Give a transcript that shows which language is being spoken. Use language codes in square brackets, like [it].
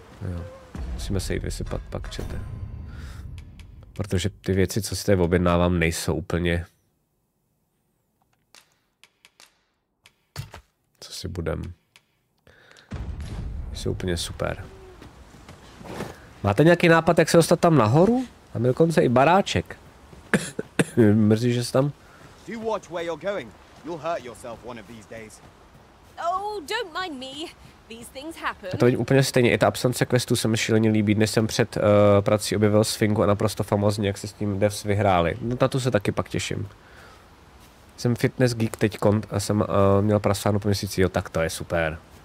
[cs] Jo, musíme se jít vysypat, pak čete. Protože ty věci, co si tady objednávám, nejsou úplně... Co si budem... Jsou úplně super. Máte nějaký nápad, jak se dostat tam nahoru? Tam je dokonce i baráček. Mrzí, že tam. [en] Do watch where you're going. You'll hurt yourself one of these days. Oh, don't mind me. These things happen. [cs] To vidím úplně stejně. I ta absence questů se mi šíleně líbí. Dnes jsem před prací objevil Sfingu a naprosto famozně, jak se s tím devs vyhráli. No, na to se taky pak těším. Jsem fitness geek teďkon a jsem měl prasvánu po měsíci. Jo, tak to je super.